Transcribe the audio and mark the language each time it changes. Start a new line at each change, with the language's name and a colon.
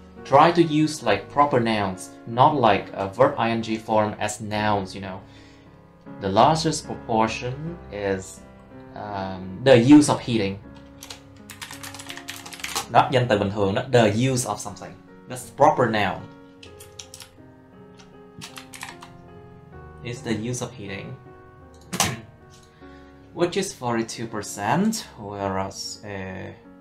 English: Try to use like proper nouns, not like a verb ing form as nouns, you know. The largest proportion is the use of heating.
Vietnamese: Đó, danh từ bình thường đó,
English: the use of something. That's proper noun. Is the use of heating, which is 42%, whereas a